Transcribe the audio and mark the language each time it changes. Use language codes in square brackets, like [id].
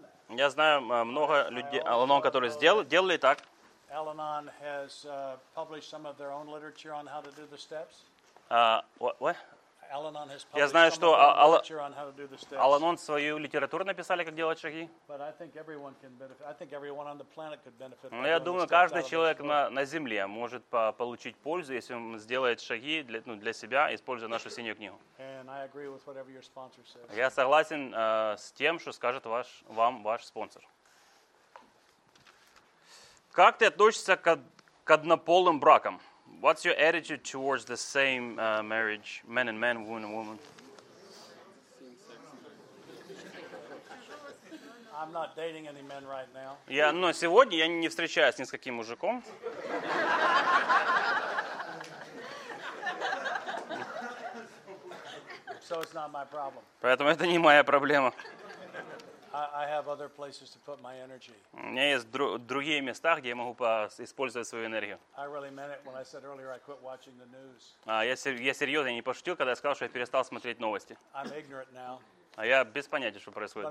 [ru] Я знаю много людей Al-Anon, которые делали так. [en] Al-Anon has published some of their own literature on how to do the steps. Al-Anon has published Literature on how to do the steps. [ru] Al-Anon свою литературу написали, как делать шаги. [en] But I think everyone can benefit. I think everyone on the planet could benefit. [ru] Но я думаю, каждый человек на Земле может получить пользу, если он сделает шаги для себя, используя нашу синюю книгу. [en] And I agree with whatever your sponsor says. [ru] Я согласен с тем, что скажет ваш спонсор. Как ты относишься к однополым бракам? [en] What's your attitude towards the same marriage, man and man, woman and woman? I'm not dating any men right now. [ru] Сегодня я не встречаюсь ни с каким мужиком. [en] So it's not my problem. [ru] Поэтому это не моя проблема. [en] I have other places to put my energy. [ru] У меня есть другие места, где я могу использовать свою энергию. [en] I really meant it when I said earlier I quit watching the news. [ru] Я серьезно, я не пошутил, когда я сказал, что я перестал смотреть новости. [en] I'm ignorant now. [ru] А я без понятия, что происходит.